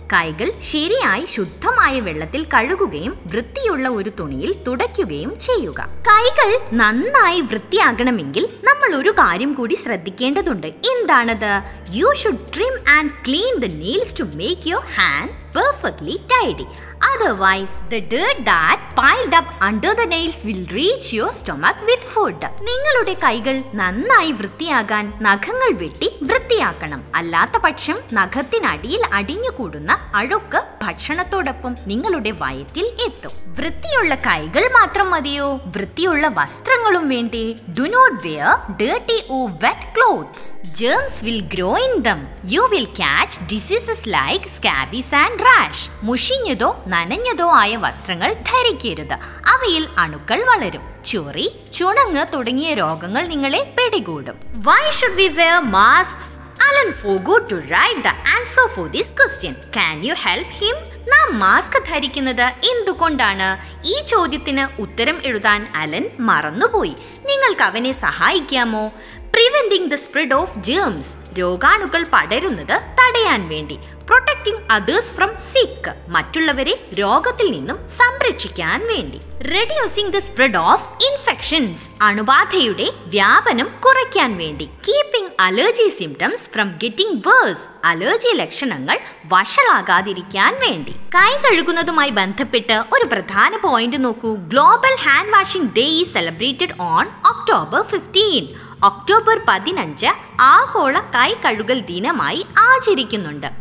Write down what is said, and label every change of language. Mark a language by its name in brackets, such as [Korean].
[Malayalam] കൈകൾ ശരിയായി ശുദ്ധമായ വെള്ളത്തിൽ കഴുകുകയും വൃത്തിയുള്ള ഒരു തുണിയിൽ തുടയ്ക്കുകയും ചെയ്യുക. കൈകൾ നന്നായി വൃത്തിയാകണമെങ്കിൽ നമ്മൾ ഒരു കാര്യം കൂടി ശ്രദ്ധിക്കേണ്ടതുണ്ട്. എന്താണത്? [English] You should trim and clean the nails to make your hand perfectly tidy. Otherwise, the dirt that piled up under the nails will reach your stomach with food. [Malayalam] നിങ്ങളുടെ കൈകൾ നന്നായി വൃത്തിയാകാൻ നഖങ്ങൾ വെട്ടി വൃത്തിയാക്കണം. അല്ലാത്തപക്ഷം നഖത്തിനടിയിൽ അടിഞ്ഞുകൂടുന്ന അഴുക്ക് ഭക്ഷണത്തോടൊപ്പം നിങ്ങളുടെ വയറ്റിൽ എത്തും. വൃത്തിയുള്ള കൈകൾ മാത്രം മതിയോ? വൃത്തിയുള്ള വസ്ത്രങ്ങളും വേണ്ടേ? [English] Do not wear dirty or wet clothes. Germs will grow in them. You will catch diseases like scabies and rash. [Malayalam] മുഷിഞ്ഞതോ നനഞ്ഞതോ ആയ വസ്ത്രങ്ങൾ ധരിക്കരുത്. അവയിൽ അണുക്കൾ വളരും. ചൊറി, ചുണങ്ങ് തുടങ്ങിയ രോഗങ്ങൾ നിങ്ങളെ പിടികൂടും. [English] Why should we wear masks? Alan forgot to write the answer for this question. Can you help him? [Malayalam] നാം മാസ്ക് ധരിക്കുന്നത് എന്തുകൊണ്ടാണ്? ഈ ചോദ്യത്തിന് ഉത്തരം എഴുതാൻ അലൻ മറന്നുപോയി. നിങ്ങൾക്ക് അവനെ സഹായിക്കാമോ? [English] Preventing the spread of germs. [Malayalam] രോഗാണുക്കൾ പടരുന്നത് തടയാൻ വേണ്ടി. [English] Protecting others from sick. [Malayalam] മറ്റുള്ളവരെ രോഗത്തിൽ നിന്നും സംരക്ഷിക്കാൻ വേണ്ടി. [English] Reducing the spread of infections. [Malayalam] അണുബാധയുടെ വ്യാപനം കുറയ്ക്കാൻ വേണ്ടി. [English] Keeping allergy symptoms from getting worse. [Malayalam] Allergy ലക്ഷണങ്ങൾ വഷളാകാതിരിക്കാൻ വേണ്ടി. കൈ കഴുകുന്നതുമായി ബന്ധപ്പെട്ട് ഒരു പ്രധാന പോയിന്റ് നോക്കൂ. [English] Global hand washing day is celebrated on October 15. [Malayalam] October 15 ആഗോള കൈ കഴുകൽ ദിനമായി ആചരിക്കുന്നുണ്ട്.